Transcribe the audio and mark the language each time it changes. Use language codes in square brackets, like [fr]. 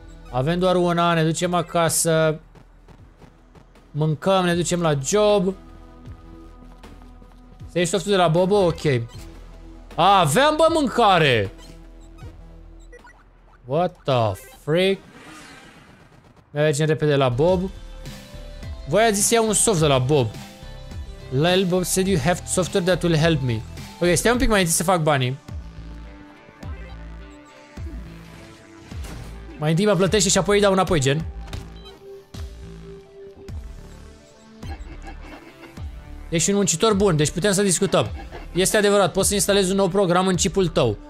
[ro] Avem doar una, ne ducem acasă. Mâncăm, ne ducem la job. Să ieși softul de la Bobo? Ok. Aveam, bă, mâncare! [en] What the freak? [ro] Mergem repede la Bob. Voi ați zis să iau un soft de la Bob. [en] Lel, Bob said you have software that will help me. [ro] Ok, stai un pic mai întâi să fac banii. Mai întâi mă plătește și apoi îi dau înapoi, gen. Ești un muncitor bun, deci putem să discutăm. Este adevărat, poți să instalezi un nou program în chipul tău.